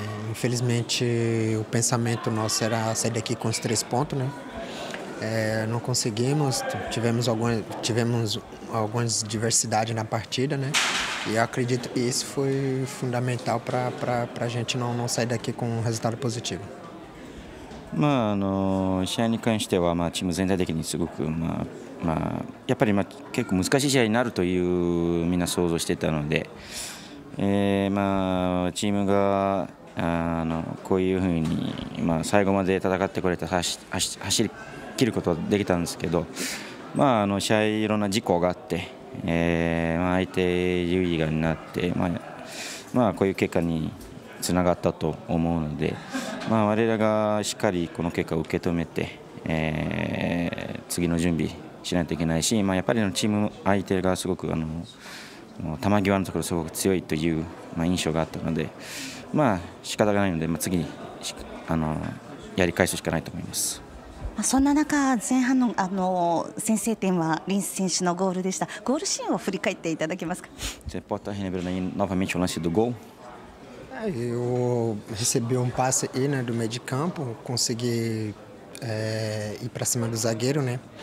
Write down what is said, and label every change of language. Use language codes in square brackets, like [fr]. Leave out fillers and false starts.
[pt] Infelizmente, o pensamento nosso era sair daqui com os 3 pontos, né? Não conseguimos, tivemos algumas diversidades na partida, né? E eu acredito que isso foi fundamental para a gente não sair daqui com um resultado positivo. [ja] Mano,試合に関してはまあチーム全体的にすごくまあまあやっぱりまあ結構難しい試合になるというみんな想像してたので、まあチームがあのこういうふうにまあ最後まで戦ってくれて走り切ることができたんですけど、まああの試合いろんな事故があって、まあ相手優位がになって、まあこういう結果につながったと思うので。まあ、我らがしっかりこの結果を受け止めて、次の準備しないといけないし、まあ、やっぱりのチーム相手がすごくあの球際のところすごく強いという、まあ、印象があったので、まあ仕方がないので、まあ、次あのやり返すしかないと思います。そんな中、前半 の先制点はリンス選手のゴールでした。ゴールシーンを振り返っていただけますか。 [pt] Você pode relembrar novamente o lance do gol? Eu recebi um passe aí, né, do meio de campo, consegui ir para cima do zagueiro, né?